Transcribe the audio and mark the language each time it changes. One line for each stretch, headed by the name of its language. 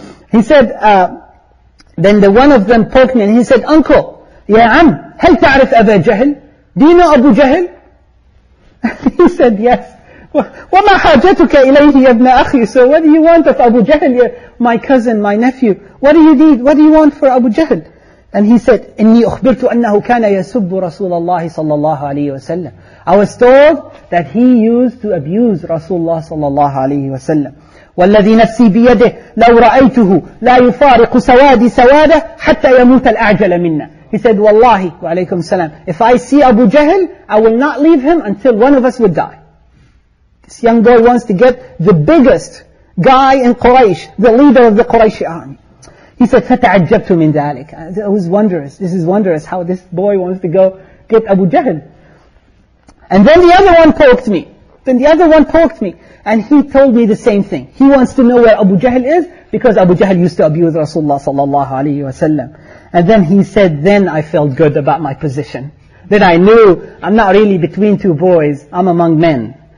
English: He said, then the one of them poked me and he said, Uncle,
Arabic: Ya Am, هل تعرف أبا جهل?
English: Do you know Abu Jahl? He said, yes.
Arabic: وَمَا حَاجَتُكَ إِلَيْهِ يَبْنَ أَخِي.
English: So what do you want of Abu Jahl, my cousin, my nephew? What do you need? What do you want for Abu Jahl? And he said,
Arabic: إِنِّي أُخْبِرْتُ أَنَّهُ كَانَ يَسُبُّ رَسُولَ اللَّهِ صَلَّى اللَّهُ عَلَيْهِ وَسَلَّمْ.
English: I was told that he used to abuse Rasulullah صَلَّى اللَّهُ عَلَيْهِ وَسَلَّمْ.
Arabic: وَالَّذِي نَفْسِي بِيَدِهِ لَوْ رَأَيْتُهُ لَا يُفَارِقُ سَوَادِ سَوَادَ حَتَّى يَمُوتَ الْأَعْجَلَ مِنَّا.
English: He said, Wallahi, wa alaykum salam, if I see Abu Jahl, I will not leave him until one of us would die. This young boy wants to get the biggest guy in Quraysh, the leader of the Quraysh army. He said,
Arabic: فَتَعَجَّبْتُ مِنْ ذَلِكَ.
English: It was wondrous. This is wondrous how this boy wants to go get Abu Jahl. And then the other one poked me. And he told me the same thing. He wants to know where Abu Jahl is, because Abu Jahl used to abuse Rasulullah sallallahu alayhi wa sallam. And then he said, then I felt good about my position. Then I knew I'm not really between two boys, I'm among men.